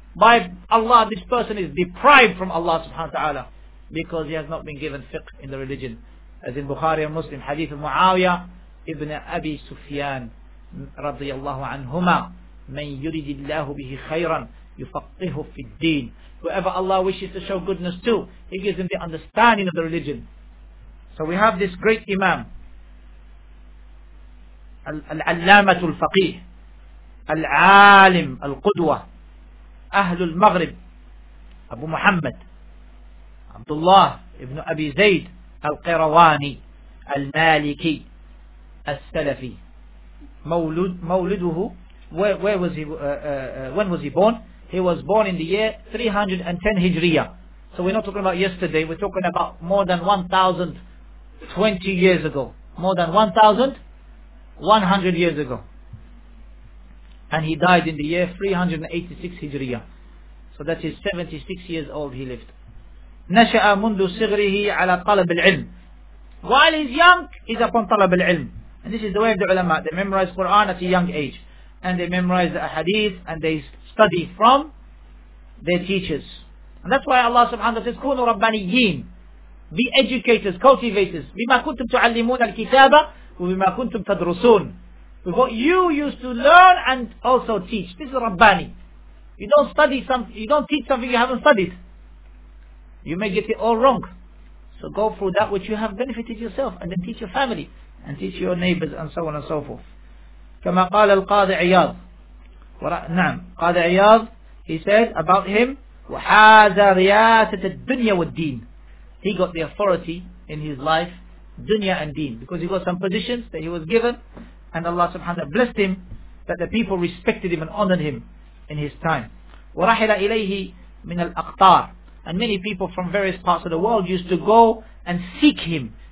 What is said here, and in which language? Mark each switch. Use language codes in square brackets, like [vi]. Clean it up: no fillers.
[en] By Allah, this person is deprived from Allah subhanahu wa ta'ala, because he has not been given fiqh in the religion. As in Bukhari and Muslim, hadith of Muawiyah ibn Abi Sufyan radiyallahu anhuma, [ar] man yuridillahu bihi khayran yufaqqihu fi ddeen. [en] Whoever Allah wishes to show goodness to, he gives him the understanding of the religion. So we have this great imam, [ar] al-allamatu al-faqih, al-alim al-qudwa, أهل المغرب أبو محمد عبد الله ابن أبي زيد القيرواني المالكي السلفي. [en] مولده, where was he, when was he born? He was born in the year 310 Hijriya. So we're not talking about yesterday, we're talking about more than 1,020 years ago. More than 1,100 years ago. And he died in the year 386 Hijriya. So that is 76 years old he lived. [ar] نشأ منذ صغره على طلب العلم. [en] While he's young, he's upon طلب العلم. And this is the way of the ulama. They memorize Quran at a young age. And they memorize the hadith and they study from their teachers. And that's why Allah subhanahu wa ta'ala says, [ar] كونوا ربانيين. [en] Be educators, cultivators. [ar] بما كنتم تعلمون الكتابة وبما كنتم تدرسون. [en] With what you used to learn and also teach. This is Rabbani. You don't study something, you don't teach something you haven't studied. You may get it all wrong. So go through that which you have benefited yourself, and then teach your family, and teach your neighbors, and so on and so forth. [ar] كما قال القاضي عياض. نعم, قاضي عياض, [en] he said about him, [ar] وحاز رياسة الدنيا والدين. [en] He got the authority in his life, dunya and deen, because he got some positions that he was given, and Allah subhanahu wa ta'ala blessed him, that the people respected him and honored him in his time. [ar] وَرَحِلَ إِلَيْهِ مِنَ الْأَقْطَارِ. [en] And many people from various parts of the world used to go and seek him.